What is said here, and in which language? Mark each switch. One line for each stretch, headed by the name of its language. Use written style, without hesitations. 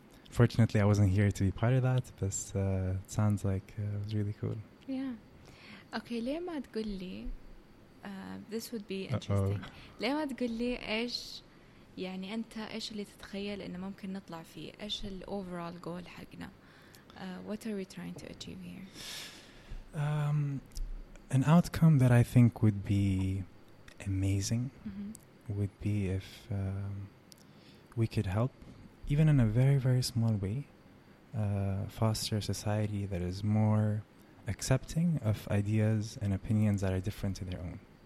English: Fortunately, I wasn't here to be part of that, but it sounds like it was really cool. Yeah.
Arabic: اوكي ليه ما تقول لي
English: this would be interesting.
Arabic: ليه ما تقول لي ايش يعني انت ايش اللي تتخيل انه ممكن نطلع فيه؟ ايش ال
English: overall goal
Arabic: حقنا؟
English: What are we trying to achieve here? An outcome that I think would be amazing would be if we could help, even in a very, very small way, foster a society that is more accepting of ideas and opinions that are different to their own.